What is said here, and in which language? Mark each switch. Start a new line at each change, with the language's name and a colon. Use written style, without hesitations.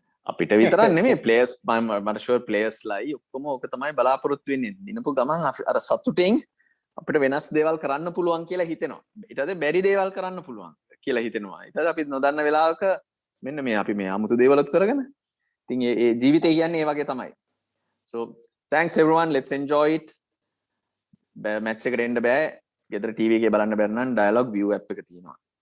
Sinhala: අපිට විතරක් නෙමෙයි ප්ලේයර්ස් මම ෂුවර් ප්ලේයර්ස් ලයි ඔක්කොම ඕක තමයි බලාපොරොත්තු වෙන්නේ. දිනපු ගමන් අර සතුටින් අපිට වෙනස් දේවල් කරන්න පුළුවන් කියලා හිතෙනවා. ඊට පස්සේ බැරි දේවල් කරන්න පුළුවන් කියලා හිතෙනවා. ඊට පස්සේ අපි නොදන්න වෙලාවක මෙන්න මේ අපි මේ අමුතු දේවලුත් කරගෙන. ඉතින් ඒ ජීවිතය කියන්නේ ඒ වගේ තමයි.
English: So thanks everyone let's enjoy it.
Sinhala: Match එකට එන්න බෑ. ගෙදර ටීවී එකේ බලන්න බැරි නම් ඩයලොග් view app එක තියෙනවා.